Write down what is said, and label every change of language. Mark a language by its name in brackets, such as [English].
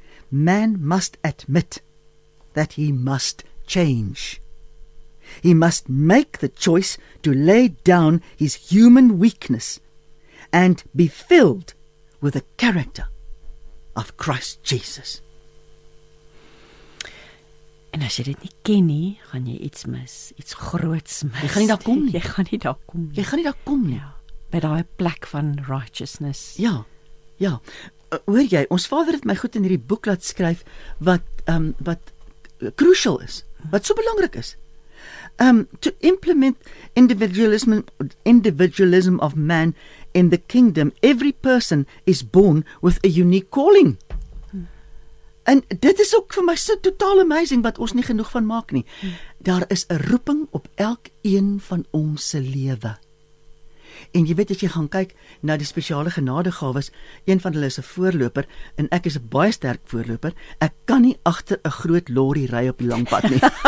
[English] Man must admit that he must change. He must make the choice to lay down his human weakness and be filled with the character of Christ Jesus. [Afrikaans] En as jy dit nie ken nie, gaan jy iets mis, iets groots mis. Jy gaan nie daar kom nie. Jy gaan nie daar kom nie. Jy gaan nie daar kom nie. Ja, by daai plek van righteousness. Ja, ja. Hoor jy, ons Vader het my goed in hierdie boek laat skryf wat crucial is, wat so belangrik is. [English] To implement individualism of man in the kingdom, every person is born with a unique calling. [Afrikaans] En dit is ook vir my so totaal amazing wat ons nie genoeg van maak nie. Daar is 'n roeping op elk een van ons se lewe. En jy weet, as jy gaan kyk na die spesiale genadegawes, een van hulle is 'n voorloper, en ek is 'n baie sterk voorloper, ek kan nie agter 'n groot lorry ry op die lang pad nie.